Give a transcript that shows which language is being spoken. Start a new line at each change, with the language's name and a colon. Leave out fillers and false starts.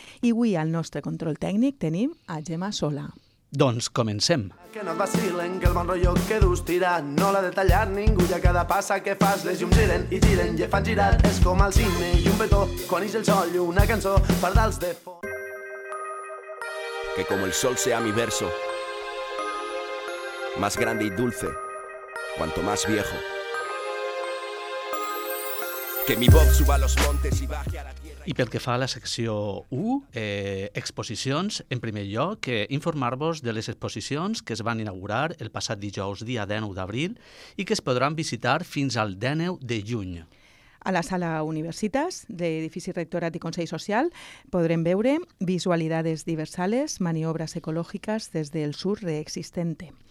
Catalan: I avui al nostre control tècnic tenim a Gemma Sola. Doncs comencem. Que no et vacilen, que el bon rotllo que dus tira, no l'ha de tallar ningú, ja cada passa que fas les llums giren i giren i fan girar. És com el cine i un petó, quan ix el sol i una cançó per dals de fons.
Spanish: Que com el sol sea mi verso, más grande y dulce, cuanto más viejo. Que mi voz suba a los montes y baje a la tierra.
Catalan: I pel que fa a la secció 1, exposicions, en primer lloc, informar-vos de les exposicions que es van inaugurar el passat dijous, dia 19 d'abril, i que es podran visitar fins al 19 de juny. A la sala Universitas, d'edifici Rectorat i Consell Social, podrem veure Visualidades diversales, maniobras ecològiques des del sur reexistente.